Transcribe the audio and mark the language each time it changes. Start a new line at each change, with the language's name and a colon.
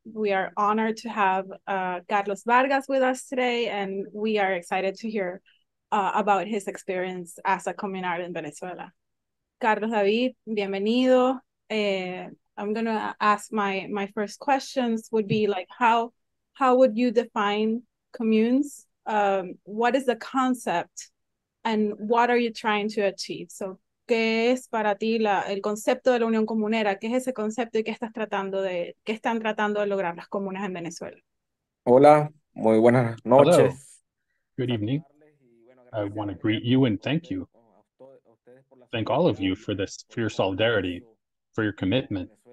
English: We are honored to have Carlos Vargas with us today, and we are excited to hear about his experience as a communard in Venezuela. Carlos David, bienvenido. I'm going to ask my first questions would be like, how would you define communes? What is the concept and what are you trying to achieve?
Spanish: So, ¿qué es para ti el concepto de la unión comunera? ¿Qué es ese concepto y qué están tratando de lograr las comunas en Venezuela? Hola, muy buenas noches.
English: Hello. Good evening. I want to greet you and thank you. Thank all of you for your solidarity, for your commitment,